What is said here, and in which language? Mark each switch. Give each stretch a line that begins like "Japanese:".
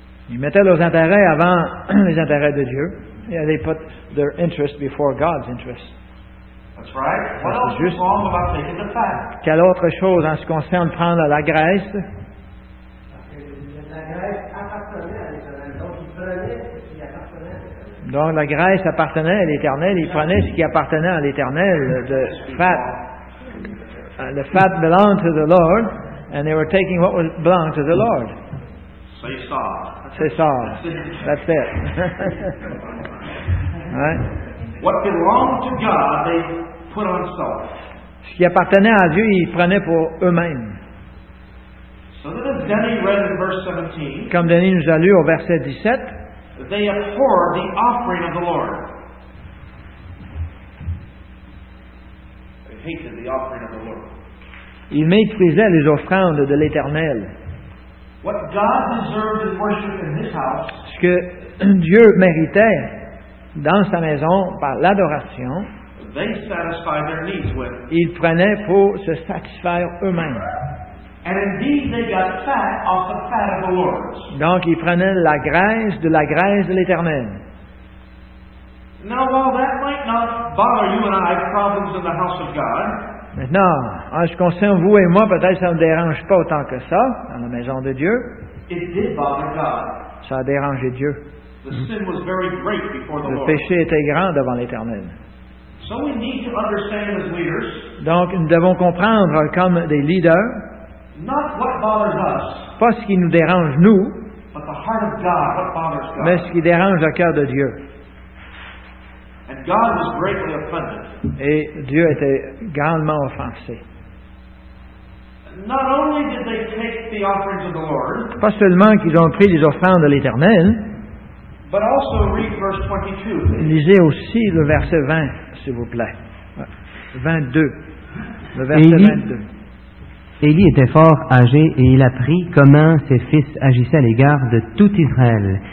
French: Ils mettaient leurs intérêts avant les intérêts de Dieu. Et ils mettaient leurs intérêts avant God's intérêts.
English: That's right. What else is wrong about taking the fat?
French: Quelle autre chose en ce qui concerne prendre la graisse? Donc la graisse appartenait à l'Éternel. Il prenait ce qui appartenait à l'Éternel, le fat,
English: the fat belonged to the Lord, and they were taking what belonged to the Lord.
French: C'est ça.
English: That's it. Right? What belonged to God, they put on self.
French: Ce qui appartenait à Dieu, ils prenaient pour eux-mêmes.
English: So that as Denny read in verse 17,
French: comme Denny nous a lu au verset 17,
English: they abhorred the offering of the Lord. They hated the offering of the Lord.
French: Ils méprisaient les offrandes de l'Éternel.
English: What God deserved in worship in this house,
French: ce que Dieu méritait dans sa maison par l'adoration,
English: they satisfied their needs with.
French: Ils prenaient pour se satisfaire eux-mêmes.
English: And indeed they got fat off the fat of the Lord.
French: Donc ils prenaient la graisse de l'Éternel.
English: Now, while that might not bother you and I, problems in the house of God.
French: Maintenant, en ce qui concerne vous et moi, peut-être ça ne dérange pas autant que ça dans la maison de Dieu.
English: It did bother God.
French: Ça a dérangé Dieu.
English: The sin was very great before the
French: Le
English: Lord.
French: Péché était grand devant l'Éternel.
English: So we need to understand as leaders,
French: donc, nous devons comprendre comme des leaders,
English: not what bothers us,
French: pas ce qui nous dérange nous,
English: but the heart of God, what bothers God.
French: Mais ce qui dérange le cœur de Dieu.
English: And God was greatly offended.
French: Et Dieu était grandement offensé.
English: Not only did they take the offerings of the Lord,
French: pas seulement qu'ils ont pris les offrandes de l'Éternel,
English: but also read verse 22.
French: Lisez aussi le verset 20, s'il vous plaît. 22. Le verset 22. Élie était fort âgé et il apprit comment ses fils agissaient à l'égard de tout Israël.